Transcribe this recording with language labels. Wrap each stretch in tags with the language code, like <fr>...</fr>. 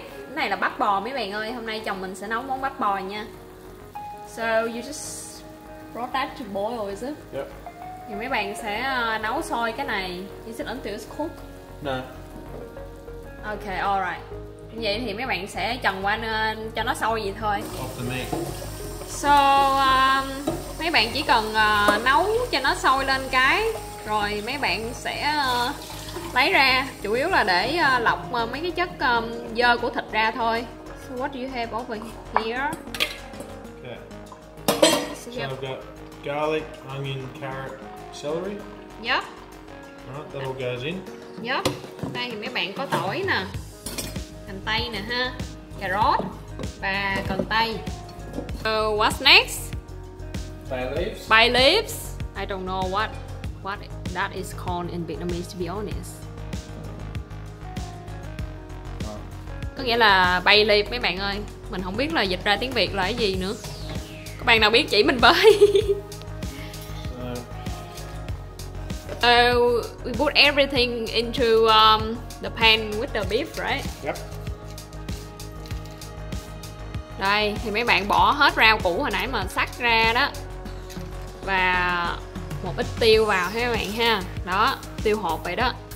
<vi>Cái này là bắp bò mấy bạn ơi. Hôm nay chồng mình sẽ nấu món bắp bò nha.</vi> <en>So you just brought that to boil, is it? Yep.</en> <vi>Thì mấy bạn sẽ nấu sôi cái này.</vi> <en>Is it until it's cooked? No. Okay, alright.</en> <vi>Vậy thì mấy bạn sẽ trần qua nên cho nó sôi vậy thôi.</vi> <en>Off the meat.</en> <vi>So, mấy bạn chỉ cần nấu cho nó sôi lên cái. Rồi mấy bạn sẽ lấy ra. Chủ yếu là để lọc mấy cái chất dơ của thịt ra thôi.</vi> <en>So what do you have over here? Okay. So I've got garlic, onion, carrot, celery. Yep. Alright, that all goes in. Yep.</en> <vi>Đây thì mấy bạn có tỏi nè, hành tây nè ha, cà rốt và cần tây.</vi> <en>So what's next? Bay leaves. Bay leaves. I don't know what that is called in Vietnamese, to be honest.</en> <vi>Có nghĩa là bay leaf mấy bạn ơi. Mình không biết là dịch ra tiếng Việt là cái gì nữa. Các bạn nào biết chỉ mình với.</vi> <en>So we put everything into the pan with the beef, right? Yep.</en> <vi>Đây, thì mấy bạn bỏ hết rau củ hồi nãy mà sắc ra đó. Và một ít tiêu vào ha mấy bạn ha. Đó, tiêu hộp vậy đó.</vi>